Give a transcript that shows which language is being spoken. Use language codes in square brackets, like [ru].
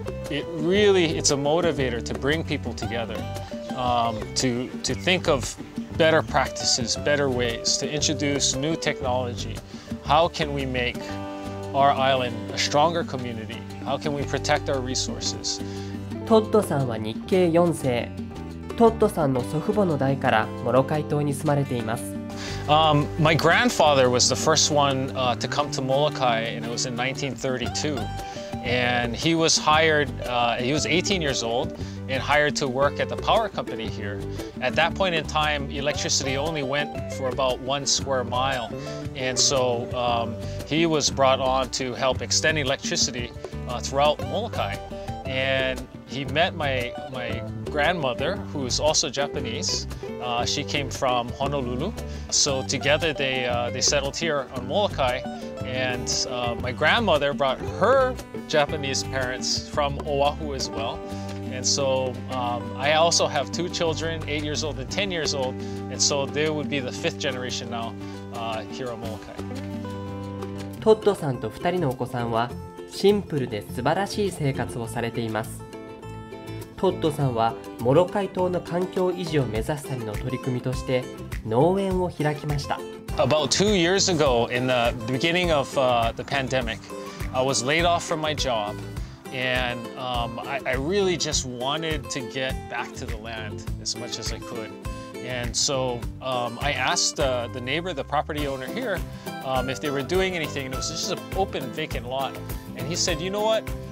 [en] It really, it's a motivator to bring people together, to think of better practices, better ways, to introduce new technology. How can we make our island a stronger community? How can we protect our resources? [ja] トッドさんは日系4世。トッドさんの祖父母の代からモロカイ島に住まれています。 [en] My grandfather was the first one to come to Molokai, and it was in 1932. And he was hired, he was 18 years old, and hired to work at the power company here. At that point in time, electricity only went for about one square mile. And so he was brought on to help extend electricity throughout Molokai. And he met my grandmother, who is also Japanese. She came from Honolulu. So together they settled here on Molokai. And my grandmother brought her Japanese parents from Oahu as well. And so I also have two children, 8 years old and 10 years old. And so they would be the fifth generation now here on Molokai. [ja] Toddo さんと二人のお子さんはシンプルで素晴らしい生活をされています。トッドさんはモロカイ島の環境維持を目指すための取り組みとして農園を開きました。 [en] About 2 years ago, in the beginning of the pandemic, I was laid off from my job, and I really just wanted to get back to the land as much as I could. And so I asked the neighbor, the property owner here, if they were doing anything. And it was just an open, vacant lot. And he said, you know what?